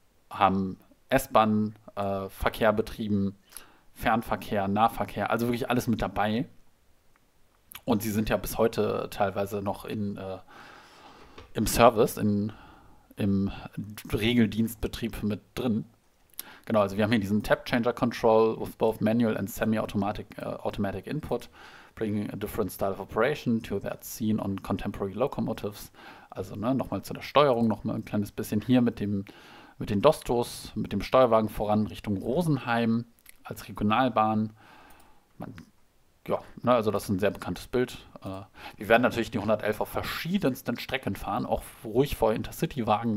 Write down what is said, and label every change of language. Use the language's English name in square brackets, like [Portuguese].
[German] Haben S-Bahn-Verkehr betrieben. Fernverkehr, Nahverkehr, also wirklich alles mit dabei. Und sie sind ja bis heute teilweise noch im Service, im Regeldienstbetrieb mit drin. Genau, also wir haben hier diesen [English] Tap Changer Control with both manual and semi-automatic input, bringing a different style of operation to that seen on contemporary locomotives. [German] Also ne, nochmal zu der Steuerung, nochmal ein kleines bisschen hier mit den Dostos, mit dem Steuerwagen voran Richtung Rosenheim. Als Regionalbahn. Ja, ne, also das ist ein sehr bekanntes Bild. Wir werden natürlich die 111 auf verschiedensten Strecken fahren, auch ruhig vor Intercity-Wagen.